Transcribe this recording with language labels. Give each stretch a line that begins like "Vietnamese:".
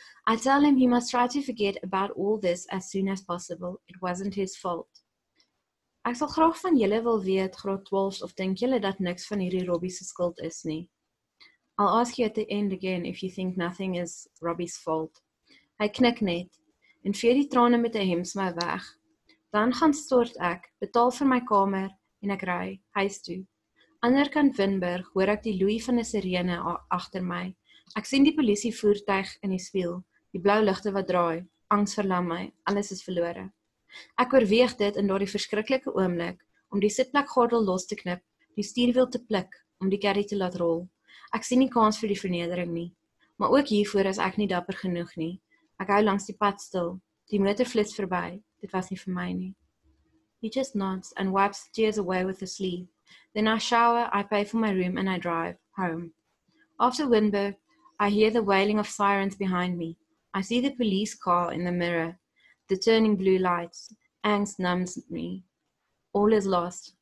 English: I tell him he must try to forget about all this as soon as possible. It wasn't his fault.
Afrikaans: Ek sal graag van julle wil weet, graad 12, of denk julle dat niks van hierdie Robbie se skuld is nie.
English: I'll ask you at the end again if you think nothing is Robbie's fault.
Afrikaans: Hy knik net en vee die trane met 'n hemsmou weg. Dan gaan stort ek, betaal vir my kamer en ek ry huis toe. Anderkant Winburg hoor ek die loei van 'n sirene agter my. Ek sien die polisie voertuig in die spieël, die blou ligte wat draai. Angs verlam my, alles is verlore. Ek oorweeg dit in daardie verskriklike oomblik om die sitplekgordel los te knip, die stuurwiel te pluk, om die carry te laat rol. Ek sien nie kans vir die vernedering nie, maar ook hiervoor is ek nie dapper genoeg nie. Ek hou langs die pad stil, die motor flits verby, dit was nie vir my nie.
English: He just nods and wipes tears away with his sleeve. Then I shower, I pay for my room and I drive home. After Winburg, I hear the wailing of sirens behind me. I see the police car in the mirror. The turning blue lights, angst numbs me. All is lost.